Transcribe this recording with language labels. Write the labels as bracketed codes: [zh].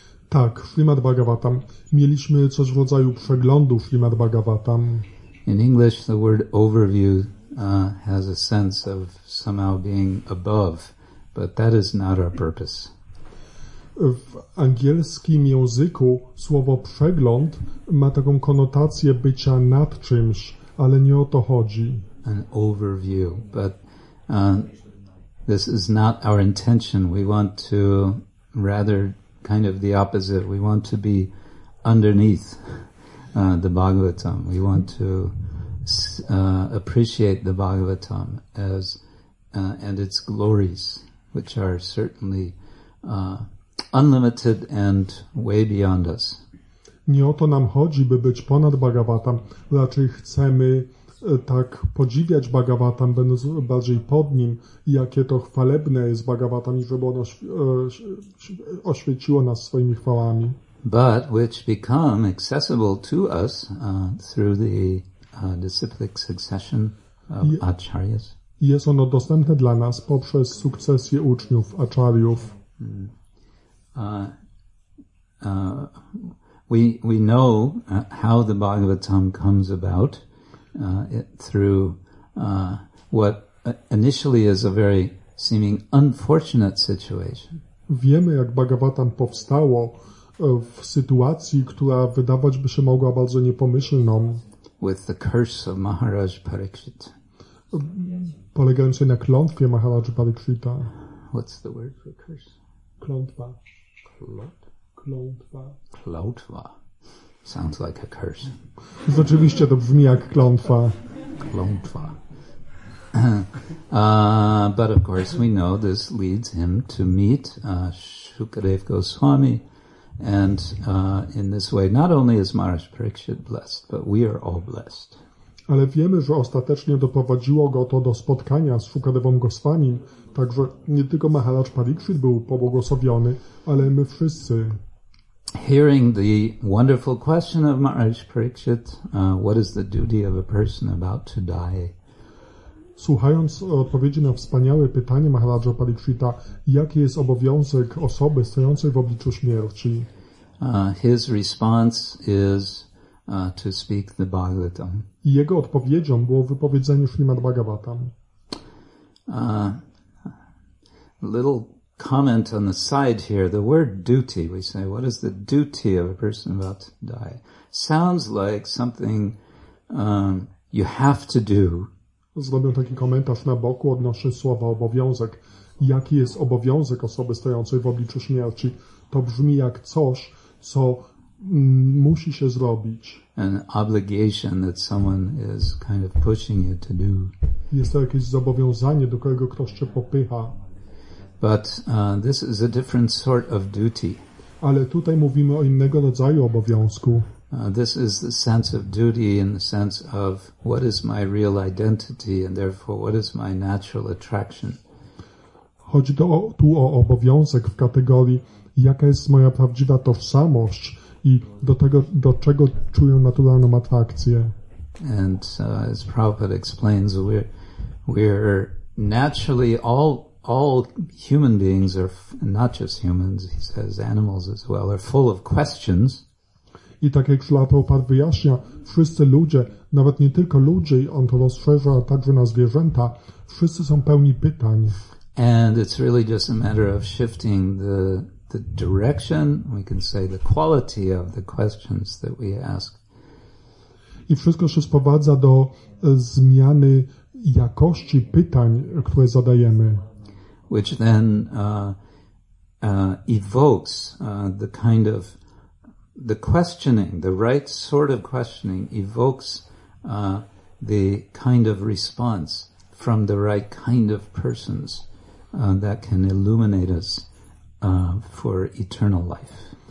[pl] Tak, Srimad Bhagavatam. Mieliśmy coś w rodzaju przeglądu Srimad Bhagavatam. [en] In English, the word overview has a sense of somehow being above, but that is not our purpose. [pl] W angielskim języku słowo przegląd ma taką konotację bycia nad czymś, ale nie o to chodzi. [en] An overview, but this is not our intention. We want to rather kind of the opposite. We want to be underneath the Bhagavatam. We want to appreciate the Bhagavatam as and its glories, which are certainly unlimited and way beyond us. [pl] Nie o to nam chodzi, by być ponad Bhagavatam. Raczej chcemy tak podziwiać Bhagavatam, będąc bardziej pod nim, jakie to chwalebne jest Bhagavatam, i żeby ono oświeciło nas swoimi chwałami. [en] But which become accessible to us through the disciplic succession of acharyas. [pl] Jest ono dostępne dla nas poprzez sukcesję uczniów, acharyów. [en] We know how the Bhagavatam comes about through what initially is a very seeming unfortunate situation. [pl] Wiemy, jak Bhagavatam powstało w sytuacji, która wydawać by się mogła bardzo niepomyślną. [en] With the curse of Maharaj Parikshit. [pl] Polegającej na klątwie Maharaj Parikshita. [en] What's the word for curse? [pl] Klątwa. [en] Klątwa. Klątwa. Sounds like a curse. [pl] Oczywiście to brzmi jak klątwa. Klątwa. [en] But of course we know this leads him to meet Shukadev Goswami. And in this way, not only is Maharaj Parikshit blessed, but we are all blessed. [pl] Ale wiemy, że ostatecznie doprowadziło go to do spotkania z Shukadevą Goswami, także nie tylko Maharaj Parikshit był pobłogosławiony, ale my wszyscy. [en] Hearing the wonderful question of Maharaj Parikshit, what is the duty of a person about to die? [pl] Słuchając odpowiedzi na wspaniałe pytanie Maharaja Parikshita, jaki jest obowiązek osoby stojącej w obliczu śmierci? [en] His response is to speak the Bhagavatam. [pl] Jego odpowiedzią było wypowiedzenie Śrimad Bhagavatam. [en] Little comment on the side here. The word duty, we say, what is the duty of a person about to die? Sounds like something you have to do. [pl] Zrobię taki komentarz na boku odnośnie słowa obowiązek. Jaki jest obowiązek osoby stojącej w obliczu śmierci? To brzmi jak coś, co musi się zrobić. [en] An obligation that someone is kind of pushing you to do. [pl] Jest to jakieś zobowiązanie, do którego ktoś cię popycha. [en] But this is a different sort of duty. [pl] Ale tutaj mówimy o innego rodzaju obowiązku. [en] This is the sense of duty in the sense of what is my real identity and therefore what is my natural attraction. [pl] Chodzi tu o obowiązek w kategorii jaka jest moja prawdziwa tożsamość i do tego, do czego czuję naturalną atrakcję. [en] And as Prabhupada explains, we're naturally all human beings are not just humans, he says animals as well, are full of questions. [pl] I tak jak Śrila Prabhupada wyjaśnia, wszyscy ludzie, nawet nie tylko ludzie, on to rozszerza także na zwierzęta, wszyscy są pełni pytań. [en] And it's really just a matter of shifting the direction, we can say the quality of the questions that we ask. [pl] I wszystko się sprowadza do zmiany jakości pytań, które zadajemy. [en] Which then evokes the kind of the questioning, the right sort of questioning, evokes the kind of response from the right kind of persons that can illuminate us for eternal life.